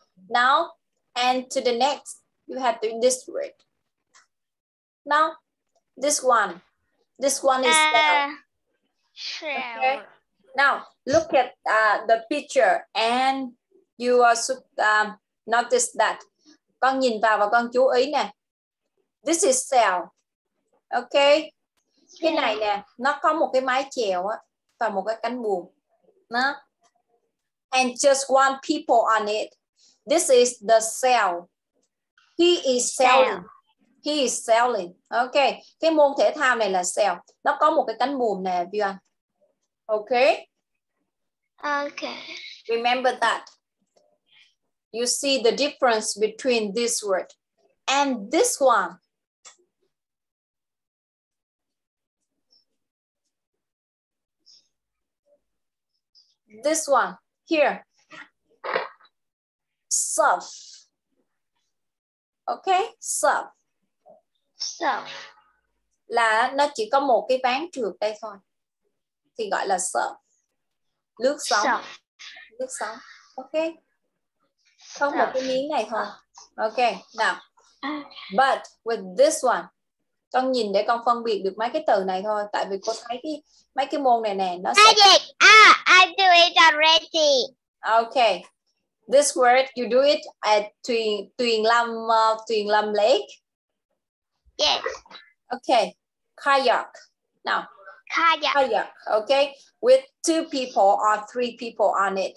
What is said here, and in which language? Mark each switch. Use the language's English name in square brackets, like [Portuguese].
[English] Now, and to the next, you have to this word. Now. This one is shell. Okay. Now look at the picture and you also notice that. [Vietnamese] Con nhìn vào và con chú ý nè. [English] This is shell. Okay. [Vietnamese] Cái này nè, nó có một cái mái chèo á và một cái cánh buồm. Nó. [English] And just one people on it. This is the shell. He is selling. He is sailing. Ok. [Vietnamese] Cái môn thể thao này là sail. Nó có một cái cánh buồm nè, Vyuan. [English] Ok. Ok. Remember that. You see the difference between this word and this one. This one here. Surf. Okay, surf. Surf. [Vietnamese] Là nó chỉ có một cái ván trượt đây thôi. Thì gọi là surf. Lướt sóng. [English] Surf. [Vietnamese] Lướt sóng. Okay. [English] Không surf. [Vietnamese] Một cái miếng này thôi. [English] Okay, now. But with this one. [Vietnamese] Con nhìn để con phân biệt được mấy cái từ này thôi. Tại vì cô thấy cái mấy cái môn này nè. Nó sẽ... [English] I do it already. Okay. This word, you do it at Tuyền Lâm Lake? Yes. Okay. Kayak. Now. Kayak. Kayak. Okay. With two people or three people on it.